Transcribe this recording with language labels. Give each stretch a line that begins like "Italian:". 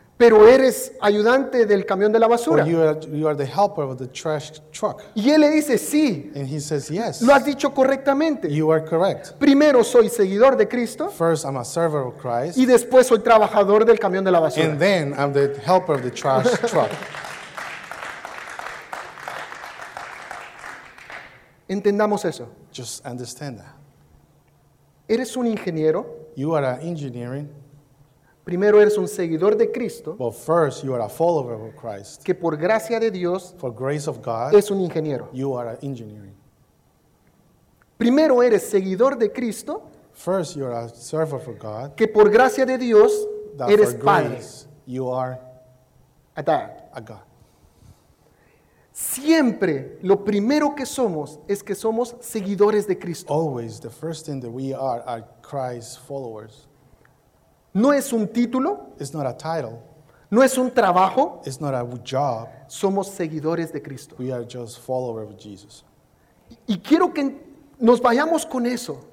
Spanish: Pero eres ayudante del camión de la basura.
English: Or you are the helper of the trash truck.
Spanish: Y él le dice, sí.
English: And he says, yes.
Spanish: Lo has dicho correctamente.
English: You are correct.
Spanish: Primero soy seguidor de Cristo.
English: First I'm a server of Christ.
Spanish: Y después soy trabajador del camión de la basura.
English: And then I'm the helper of the trash truck.
Spanish: Entendamos eso.
English: Just understand that.
Spanish: Eres un ingeniero.
English: You are an engineering.
Spanish: Primero eres un seguidor de Cristo.
English: But first you are a follower of Christ.
Spanish: Que por gracia de Dios.
English: For grace of God.
Spanish: Es un ingeniero.
English: You are an engineering.
Spanish: Primero eres seguidor de Cristo.
English: First you are a servant for God.
Spanish: Que por gracia de Dios
English: that
Spanish: eres
English: for grace,
Spanish: padre.
English: You are a dad. A God.
Spanish: Siempre lo primero que somos es que somos seguidores de Cristo.
English: Always the first thing that we are Christ's followers.
Spanish: No es un título.
English: It's not a title.
Spanish: No es un trabajo.
English: It's not a job.
Spanish: Somos seguidores de Cristo.
English: We are just followers of Jesus.
Spanish: Y quiero que nos vayamos con eso.